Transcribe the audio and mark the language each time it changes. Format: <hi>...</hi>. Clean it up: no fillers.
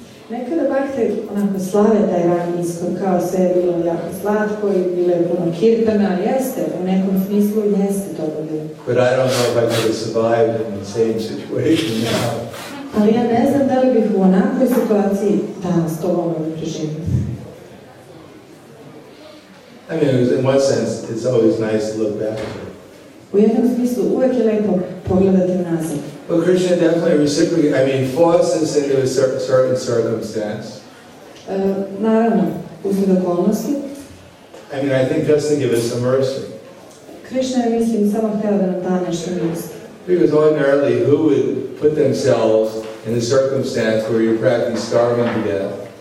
<sr>Nekada bakte onako slave taj rani ISKCON, kao sve je bilo jako slatko i bilo je puno kirtana, jeste, u nekom smislu jeste to bilo.</sr> <en>But I don't know if I could have survived in the same situation now.</en> <sr>Ali ja ne znam da li bih u onakvoj situaciji danas to mogao preživjeti.</sr> <en>I mean, in one sense, it's always nice to look back.</en> <sr>U jednom smislu, uvek je lepo pogledati nazad.</sr> <en>Well, Krishna definitely reciprocated. I mean, forced us into a certain circumstance.</en> <sr>Naravno, usled okolnosti.</sr> <en>I mean, I think just to give us some mercy.</en> <sr>Krishna je, mislim, samo htjela da nam da nešto milosti.</sr> <en>Because ordinarily, who would put themselves in a circumstance where you're practically starving to death?</en>